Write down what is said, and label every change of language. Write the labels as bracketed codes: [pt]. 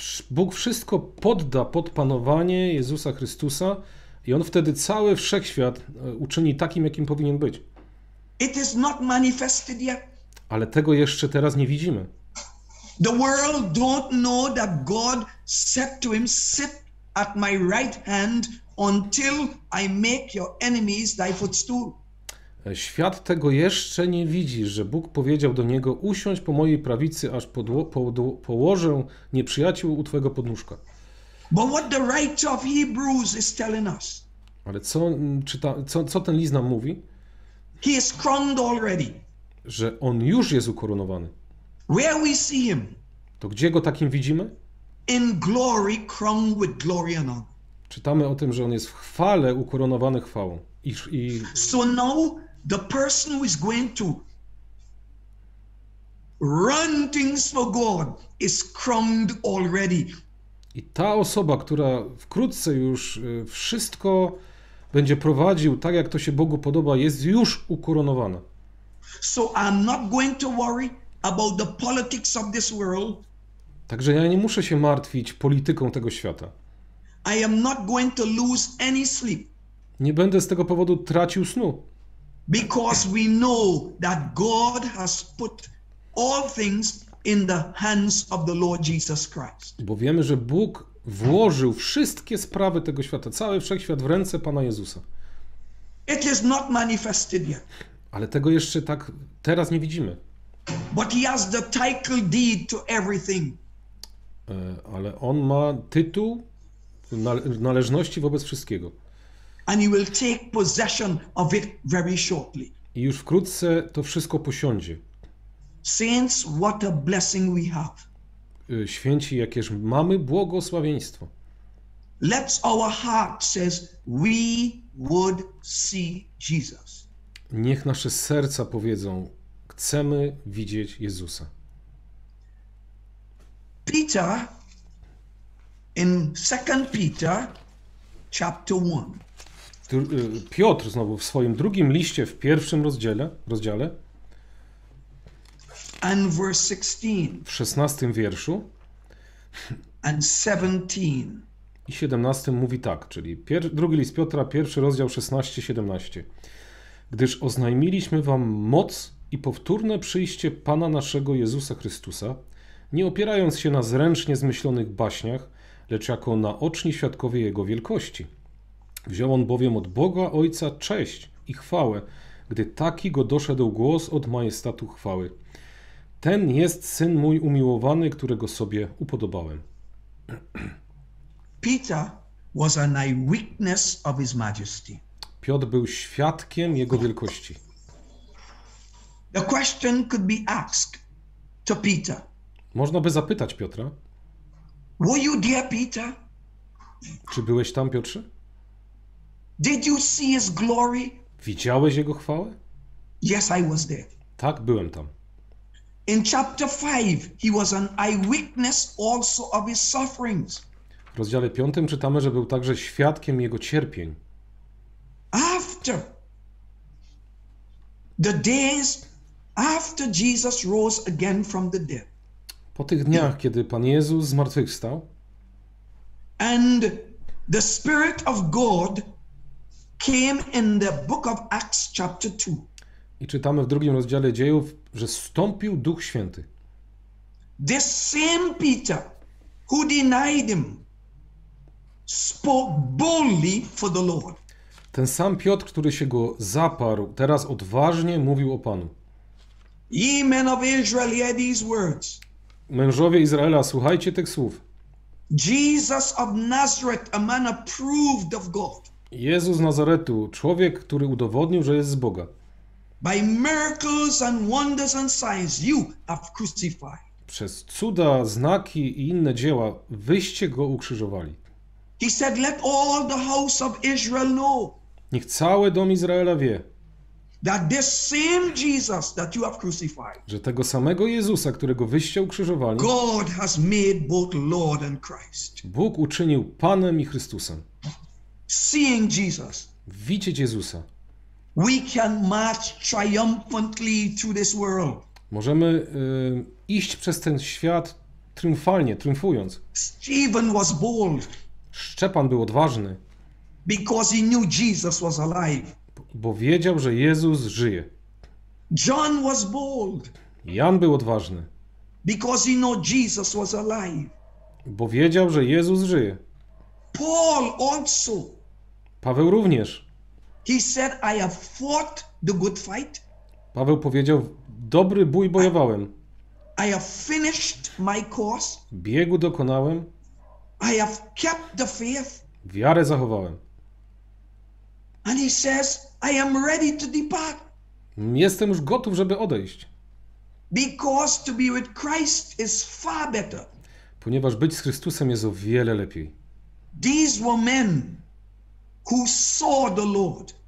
[pl] Bóg wszystko podda pod panowanie Jezusa Chrystusa i on wtedy cały wszechświat uczyni takim, jakim powinien być. [en] It is not manifested yet. [pl] Ale tego jeszcze teraz nie widzimy. [en] The world don't know that God said to him, sit at my right hand until I make your enemies thy footstool. [pl] Świat tego jeszcze nie widzi, że Bóg powiedział do niego, usiądź po mojej prawicy, aż położę nieprzyjaciół u twojego podnóżka. [en] But what the writer of Hebrews is telling us? [pl] Ale co ten list nam mówi? [en] He is crowned already. [pl] Że on już jest ukoronowany. [en] Where we see him? [pl] To gdzie go takim widzimy? [en] In glory, crowned with glory and honor. [pl] Czytamy o tym, że on jest w chwale ukoronowany chwałą. [en] So now the person who is going to run things for God is crowned already. [pl] I ta osoba, która wkrótce już wszystko będzie prowadził tak, jak to się Bogu podoba, jest już ukoronowana. [en] So I'm not going to worry about the politics of this world. [pl] Także ja nie muszę się martwić polityką tego świata. [en] I am not going to lose any sleep. [pl] Nie będę z tego powodu tracił snu. [en] Because we know that God has put all things in the hands of the Lord Jesus Christ. [pl] Bo wiemy, że Bóg włożył wszystkie sprawy tego świata, cały wszechświat w ręce Pana Jezusa. [en] It is not manifested yet. [pl] Ale tego jeszcze tak teraz nie widzimy. [en] But he has the title deed to everything. [pl] Ale on ma tytuł należności wobec wszystkiego. [en] And he will take possession of it very shortly. [pl] I już wkrótce to wszystko posiądzie. [en] Saints, what a blessing we have. [pl] Święci, jakież mamy błogosławieństwo. [en] Let our heart says we would see Jesus. [pl] Niech nasze serca powiedzą, chcemy widzieć Jezusa. [en] Peter in 2 Peter chapter 1. [pl] Piotr znowu w swoim drugim liście w pierwszym rozdziale [en] and verse 16. [pl] W 16 wierszu [en] and 17. [pl] I 17 mówi tak, czyli drugi list Piotra, pierwszy rozdział 16-17. Gdyż oznajmiliśmy wam moc i powtórne przyjście Pana naszego Jezusa Chrystusa, nie opierając się na zręcznie zmyślonych baśniach, lecz jako naoczni świadkowie Jego wielkości. Wziął on bowiem od Boga Ojca cześć i chwałę, gdy taki go doszedł głos od majestatu chwały. Ten jest Syn mój umiłowany, którego sobie upodobałem. [en] Peter was an eyewitness of his majesty. [pl] Piotr był świadkiem jego wielkości. [en] The question could be asked to Peter. [pl] Można by zapytać Piotra. [en] Were you there, Peter? [pl] Czy byłeś tam, Piotrze? [en] Did you see his glory? [pl] Widziałeś jego chwałę? [en] Yes, I was there. [pl] Tak, byłem tam. [en] In chapter 5, he was an eyewitness also of his sufferings. [pl] W rozdziale 5 czytamy, że był także świadkiem jego cierpień. [en] After the days after Jesus rose again from the dead. [pl] Po tych dniach, kiedy Pan Jezus zmartwychwstał. [en] And the Spirit of God came in the book of Acts chapter 2. [pl] I czytamy w drugim rozdziale Dziejów, że zstąpił Duch Święty. [en] This same Peter who denied him spoke boldly for the Lord. [pl] Ten sam Piotr, który się go zaparł, teraz odważnie mówił o Panu. [en] Ye men of Israel, hear these words. [pl] Mężowie Izraela, słuchajcie tych słów. [en] Jesus of Nazareth, a man approved of God. [pl] Jezus Nazaretu, człowiek, który udowodnił, że jest z Boga. [en] By miracles and wonders and signs you have crucified. [pl] Przez cuda, znaki i inne dzieła wyście go ukrzyżowali. [en] He said, let all the house of Israel know. [pl] Niech cały dom Izraela wie. [en] That this same Jesus that you have crucified. [pl] Że tego samego Jezusa, którego wyście ukrzyżowali. [en] God has made both Lord and Christ. [pl] Bóg uczynił Panem i Chrystusem. [en] Seeing Jesus. [pl] Widzieć Jezusa. [en] We can march triumphantly through this world. [pl] Możemy iść przez ten świat triumfalnie, triumfując. [en] Stephen was bold. [pl] Szczepan był odważny. [en] Because he knew Jesus was alive. [pl] Bo wiedział, że Jezus żyje. [en] John was bold. [pl] Jan był odważny. [en] Because he knew Jesus was alive. [pl] Bo wiedział, że Jezus żyje. [en] Paul also. [pl] Paweł również. [en] He said, I have fought the good fight. [pl] Paweł powiedział, dobry bój bojowałem. [en] I have finished my course. [pl] Biegu dokonałem. [en] I have kept the faith. [pl] Wiarę zachowałem. [en] And he says, I am ready to depart. [pl] Jestem już gotów, żeby odejść. [en] Because to be with Christ is far better. [pl] Ponieważ być z Chrystusem jest o wiele lepiej. [en] These were men who saw the Lord.